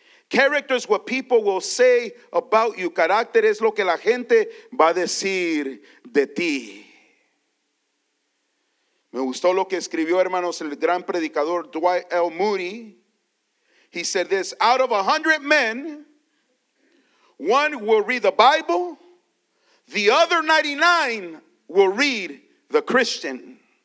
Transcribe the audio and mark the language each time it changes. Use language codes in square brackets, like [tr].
[en] Character is what people will say about you. [es] Carácter es lo que la gente va a decir de ti. Me gustó lo que escribió, hermanos, el gran predicador Dwight L. Moody. [en] He said this, out of 100 men, one will read the Bible, the other 99 will read the Christian.